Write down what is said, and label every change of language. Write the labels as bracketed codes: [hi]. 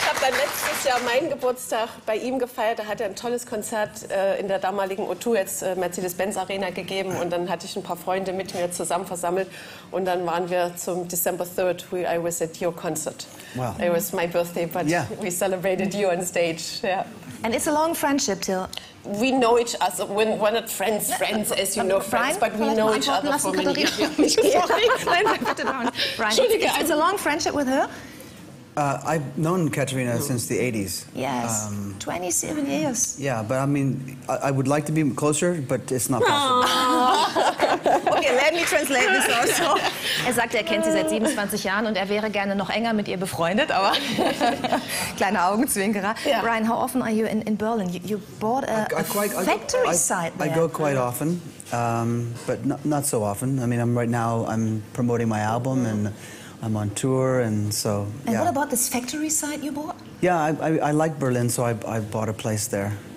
[de] Letztes Jahr mein Geburtstag bei ihm gefeiert, da hat er ein tolles Konzert in der damaligen O2, jetzt Mercedes-Benz Arena, gegeben, und dann hatte ich ein paar Freunde mit mir zusammen versammelt, und dann waren wir zum [en] December 3rd, I was at your concert. Wow. It was my birthday, but we celebrated you on stage. Yeah. And it's a long friendship, Till. We know each other. We're not friends, as you know, friends, Brian, but we know each other for many years. It's a long friendship with her. I've known Katharina since the 80s. Yes, 27 years. Yeah, but I mean, I would like to be closer, but it's not possible. Okay, let me translate this also. [de] Er sagt, er kennt sie seit 27 Jahren und er wäre gerne noch enger mit ihr befreundet, aber kleiner Augenzwinkerer. [en] Yeah. Brian, how often are you in Berlin? You bought a factory site there. I go quite often, but not so often. I mean, I'm right now promoting my album and I'm on tour, and so. And yeah. What about this factory site you bought? Yeah, I like Berlin, so I bought a place there.